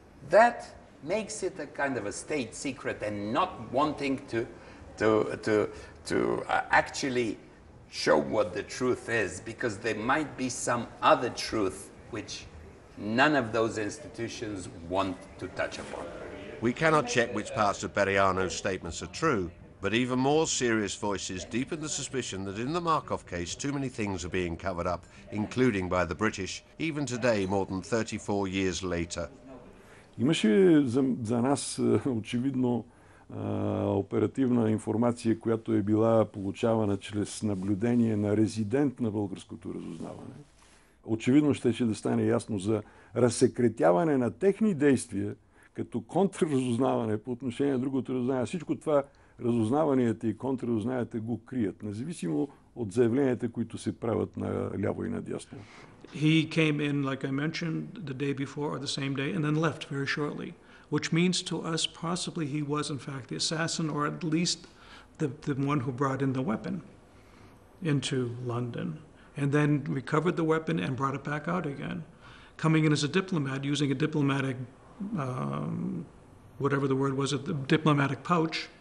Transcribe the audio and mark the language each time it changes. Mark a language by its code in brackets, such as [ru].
[en] that makes it a kind of a state secret and not wanting to actually show what the truth is, because there might be some other truth which none of those institutions want to touch upon. We cannot check which parts of Berriano's statements are true, but even more serious voices deepen the suspicion that in the Markov case, too many things are being covered up, including by the British, even today, more than 34 years later. [bg] Имаше за нас очевидно оперативна информация, която е била получавана чрез наблюдение на резидент на българското разузнаване. Очевидно щеше да стане ясно за разсекретяване на техни действия като контрразузнаване по отношение на другото разузнаване. Всичко това разузнаванията и контрразузнаванията го крият, независимо от заявленията, които се правят на ляво и на дясно. [en] He came in, like I mentioned, the day before or the same day, and then left very shortly, which means to us possibly he was in fact the assassin, or at least the one who brought in the weapon into London, and then recovered the weapon and brought it back out again, coming in as a diplomat, using a diplomatic, whatever the word was, a diplomatic pouch.